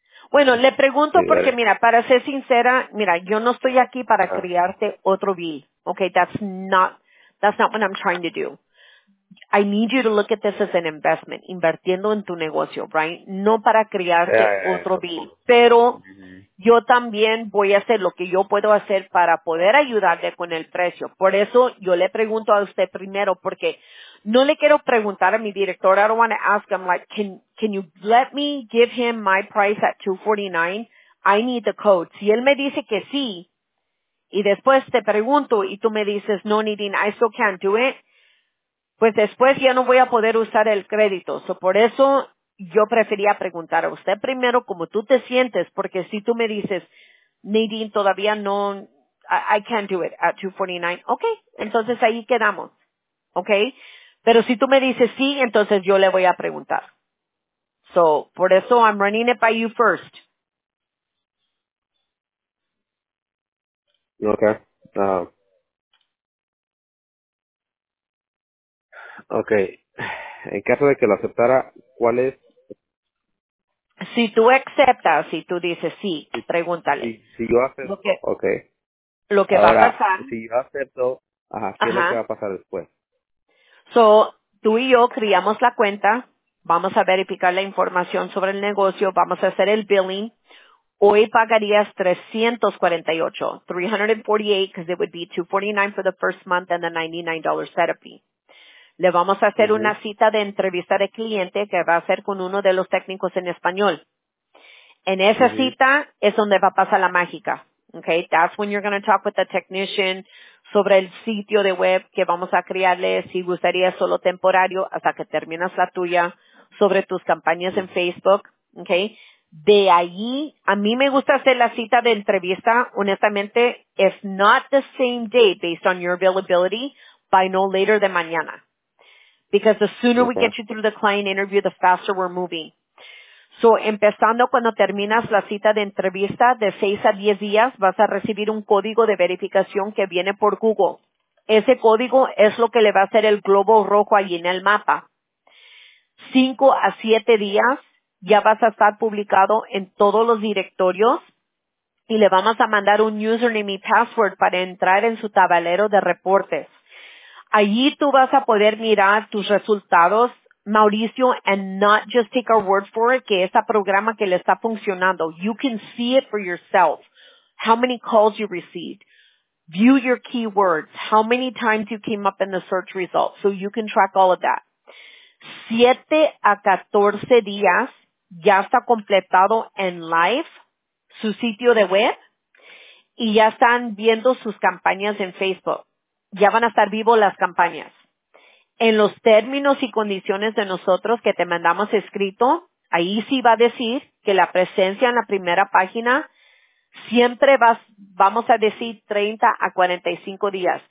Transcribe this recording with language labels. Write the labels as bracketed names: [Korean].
[Spanish] Bueno, le pregunto porque, mira, para ser sincera, mira, yo no estoy aquí para criarte otro bill. [English] Okay, that's not what I'm trying to do. I need you to look at this as an investment, [Spanish] invirtiendo en tu negocio, [English] right? [Spanish] No para criarte otro bill, pero yo también voy a hacer lo que yo puedo hacer para poder ayudarte con el precio. Por eso yo le pregunto a usted primero, porque no le quiero preguntar a mi director. [English] I don't want to ask him, like, can you let me give him my price at $249? I need the code. [Spanish] Si él me dice que sí, y después te pregunto, y tú me dices, no, Nadine, [English] I still can't do it, [Spanish] pues después ya no voy a poder usar el crédito. So por eso yo prefería preguntar a usted primero cómo tú te sientes, porque si tú me dices, Nadine, todavía no, [English] I can't do it at $249, [Spanish] okay, entonces ahí quedamos, okay. Pero si tú me dices sí, entonces yo le voy a preguntar. So por eso I'm running it by you first. [English] Okay. [Spanish] Okay, en caso de que lo aceptara, ¿cuál es? Si tú aceptas, si tú dices sí, pregúntale. Si yo acepto, okay. Lo que ahora, va a pasar. Si yo acepto, ¿qué es lo que va a pasar después? So, tú y yo creamos la cuenta, vamos a verificar la información sobre el negocio, vamos a hacer el billing. Hoy pagarías $348, [English] because it would be $249 for the first month and the $99 setup fee. [Spanish] Le vamos a hacer una cita de entrevista de cliente que va a ser con uno de los técnicos en español. En esa cita es donde va a pasar la mágica. Okay, [English] that's when you're going to talk with the technician [Spanish] sobre el sitio de web que vamos a crearle, si gustaría solo temporario hasta que terminas la tuya, sobre tus campañas en Facebook. [English] Okay, [Spanish] de allí, a mí me gusta hacer la cita de entrevista, honestamente, [English] if not the same day based on your availability, by no later than [Spanish] mañana. [English] Because the sooner we get you through the client interview, the faster we're moving. [Spanish] So, empezando cuando terminas la cita de entrevista, de 6 a 10 días, vas a recibir un código de verificación que viene por Google. Ese código es lo que le va a hacer el globo rojo allí en el mapa. 5 a 7 días, ya vas a estar publicado en todos los directorios y le vamos a mandar un username y password para entrar en su tablero de reportes. Allí tú vas a poder mirar tus resultados, Mauricio, [English] and not just take our word for it, [Spanish] que ese programa que le está funcionando. [English] You can see it for yourself. How many calls you received. View your keywords. How many times you came up in the search results. So you can track all of that. [Spanish] 7 a 14 días ya está completado en live su sitio de web y ya están viendo sus campañas en Facebook. Ya van a estar vivos las campañas. En los términos y condiciones de nosotros que te mandamos escrito, ahí sí va a decir que la presencia en la primera página siempre vamos a decir 30 a 45 días.